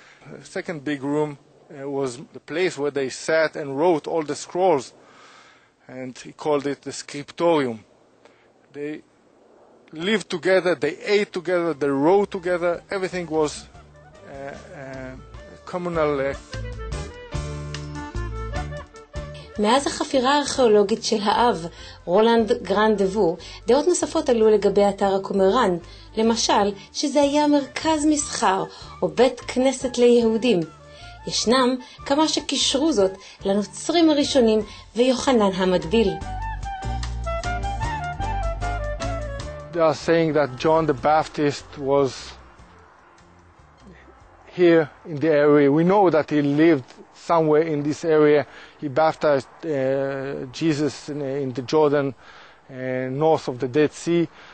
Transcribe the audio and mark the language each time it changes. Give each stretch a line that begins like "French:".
English: The second big room was the place where they sat and wrote all the scrolls, and he called it the scriptorium. They lived together, they ate together, they wrote together, everything was communal.
Hebrew: מאז החפירה הארכיאולוגית של האב, רולנד גרן דבו, דעות נוספות עלו לגבי אתר הקומרן, למשל, שזה היה מרכז מסחר או בית כנסת ליהודים. ישנם כמה שקישרו זאת לנוצרים הראשונים ויוחנן המטביל.
English: They are saying that John the Baptist was here in the area. We know that he lived somewhere in this area. He baptized Jesus in the Jordan, north of the Dead Sea.